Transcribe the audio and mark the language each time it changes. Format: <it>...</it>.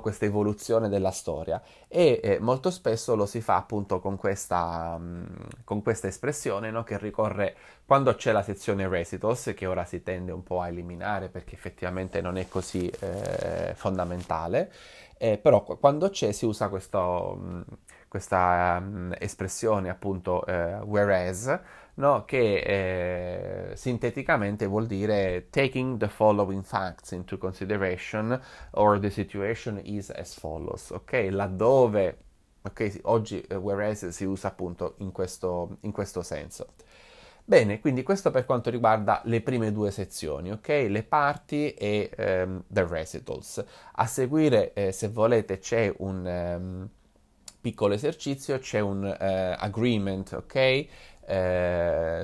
<it>Questa evoluzione della storia. E molto spesso lo si fa appunto con questa espressione, no? Che ricorre quando c'è la sezione recitals, che ora si tende un po' a eliminare perché effettivamente non è così fondamentale, però quando c'è si usa questa espressione appunto whereas.</it> <en>No,</en> <it>che sinteticamente vuol dire</it> <en>taking the following facts into consideration or the situation is as follows.</en> <it>Ok, laddove, okay, oggi whereas si usa appunto in questo senso. Bene, quindi questo per quanto riguarda le prime due sezioni, ok? Le parti e the recitals. A seguire, se volete, c'è un piccolo esercizio, c'è un agreement, ok?</it>